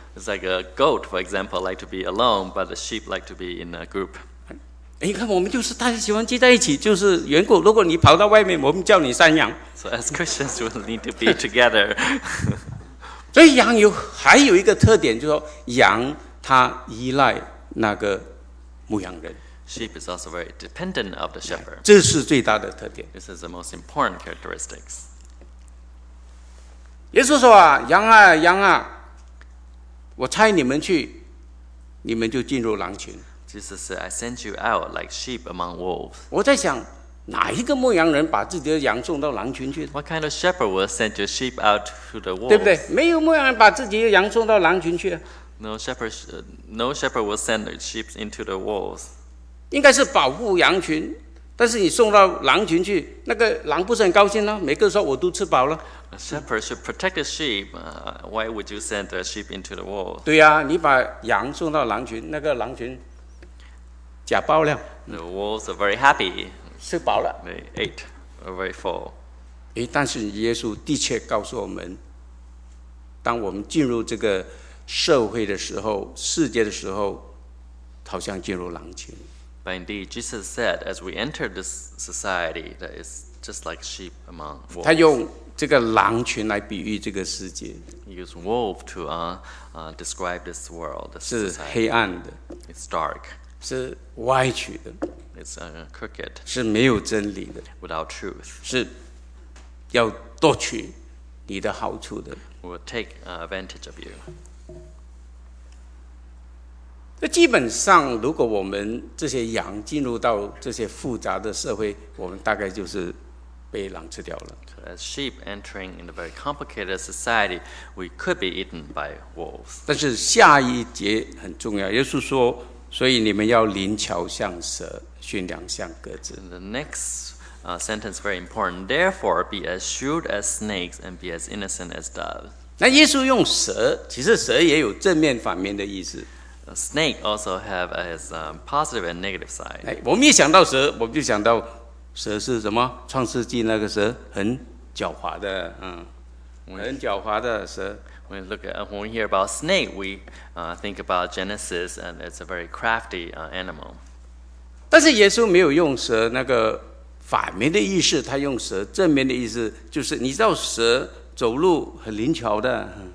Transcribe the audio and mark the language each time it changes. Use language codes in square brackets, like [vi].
[en] it's like a goat for example like to be alone but the sheep like to be in a group. [zh] 你看我们就是大家喜欢聚在一起就是缘故如果你跑到外面我们叫你山羊 [en] so as Christians we need to be together. [zh] 所以羊有还有一个特点就是说羊它依赖那个牧羊人 [en] Sheep is also very dependent of the shepherd. [zh] 这是最大的特点 [en] This is the most important characteristics. [zh] 耶稣说啊羊啊羊啊我差你们去你们就进入狼群 [en] Jesus said I sent you out like sheep among wolves. [zh] 我在想哪一个牧羊人把自己的羊送到狼群去 [en] What kind of shepherd will send your sheep out to the wolves? [zh] 对不对没有牧羊人把自己的羊送到狼群去 [en] No shepherd will send their sheep into the wolves. [zh] 应该是保护羊群，但是你送到狼群去，那个狼不是很高兴呢？每个说我都吃饱了。 [en] A shepherd should protect the sheep. Why would you send the sheep into the wolves? [zh] 对呀，你把羊送到狼群，那个狼群假爆料。 [en] The wolves are very happy. [zh] 吃饱了。 [en] They ate very full. [zh] 但是耶稣的确告诉我们，当我们进入这个。社会的时候，世界的时候，好像进入狼群。 [en] But indeed, Jesus said, as we enter this society, that is just like sheep among wolves. [zh] 他用这个狼群来比喻这个世界。 [en] Use wolf to describe this world. [zh] 是黑暗的。 [en] It's dark. [zh] 是歪曲的。 [en] It's crooked. [zh] 是没有真理的。 [en] Without truth. [zh] 是要夺取你的好处的。 [en] Will take advantage of you. [zh] 基本上如果我们这些羊进入到这些复杂的社会我们大概就是被狼吃掉了 [en] so, As sheep entering in a very complicated society we could be eaten by wolves [zh] 但是下一节很重要耶稣说所以你们要灵巧像蛇驯良像鸽子 [en] The next sentence very important Therefore be as shrewd as snakes and be as innocent as doves [zh] 那耶稣用蛇其实蛇也有正面反面的意思 [en] A snake also have its positive and negative side. [zh] 我们一想到蛇，我们就想到蛇是什么？创世纪那个蛇很狡猾的，很狡猾的蛇。 [en] When we hear about snake, we think about Genesis, and it's a very crafty animal. [zh] 但是耶稣没有用蛇那个反面的意思，他用蛇正面的意思，就是你知道蛇走路很灵巧的。